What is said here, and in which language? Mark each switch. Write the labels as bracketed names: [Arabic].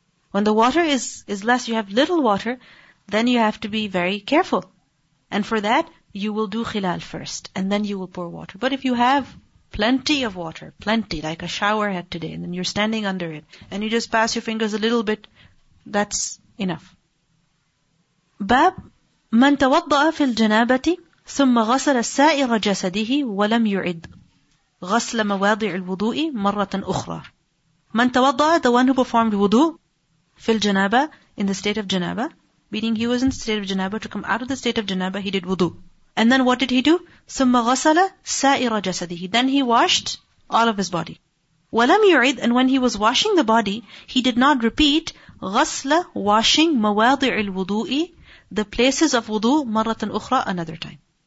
[English] When the water is less, you have little water, then you have to be very careful. And for that, you will do khilal first, and then you will pour water. But if you have plenty of water, plenty, like a shower head today, and then you're standing under it, and you just pass your fingers a little bit, that's enough. [Arabic] باب من توضأ في الجنابة ثم غسل سائر جسده ولم يعد غسل مواضع الوضوء مرة أخرى. من توضأ, [English] the one who performed wudu [Arabic] في الجنابة, [English] in the state of janaba, meaning he was in the state of janaba, to come out of the state of janaba, he did wudu. And then what did he do? [Arabic] ثم غسل سائر جسده, [English] then he washed all of his body. [Arabic] ولم يعد, [English] and when he was washing the body, he did not repeat غسل, washing [Arabic] مواضع الوضوء, [English] the places of wudu, [Arabic] مَرَّةً أُخْرَى, [English] another time.